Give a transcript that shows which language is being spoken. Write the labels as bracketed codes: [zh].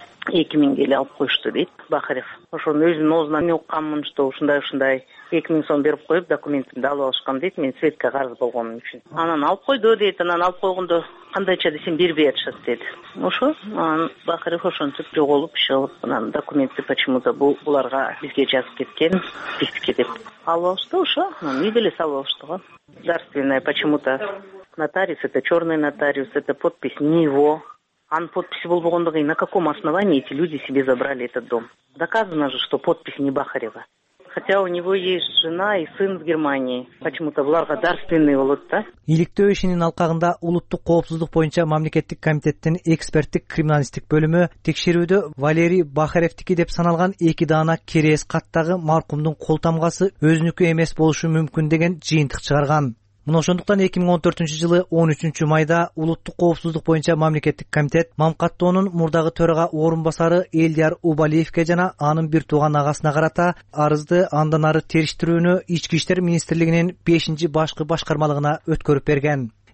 [ky] 2000 эле алып коюшту дейт Бахарев. Ошонун өзүнүн оозунан эмне укканмын, что ушундай ушундай 2000 сом берип коюп документимди алып алышкам дейт, мен Светке карыз болгонум үчүн. Анан алып койду дейт, анан алып койгондо кандайча десем бербей атышат дейт. Ошо анан Бахарев ошентип жоголуп иши кылып анан документти почему-то буларга бизге жазып кеткен биздики деп алып алышты. Ошо анан үйдө эле салып алышты го. [ru] Государственная почему-то нотариус, это черный нотариус, это подпись не его. [ky] Анын подписи болбогондугу, [ru] и на каком основании эти люди себе забрали этот дом? Доказано же, что подпись не Бахарева. Хотя у него есть жена и сын в Германии. [ky] Почему-то булар государственный болот да. Иликтөө ишинин алкагында улуттук коопсуздук боюнча мамлекеттик комитеттин эксперттик криминалистик бөлүмү текшерүүдө Валерий Бахаревтики деп саналган эки даана керес каттагы маркумдун кол тамгасы өзүнүкү эмес болушу мүмкүн деген жыйынтык чыгарган. Мына ошондуктан 2014 жылы 13 майда улуттук коопсуздук боюнча мамлекеттик комитет мамкаттоонун мурдагы төрага орун басары Элдияр Убалиевке жана анын бир тууган агасына карата арызды андан ары териштирүүнү Ички иштер министрлигинин 5-ci башкы башкармалыгына өткөрүп берген.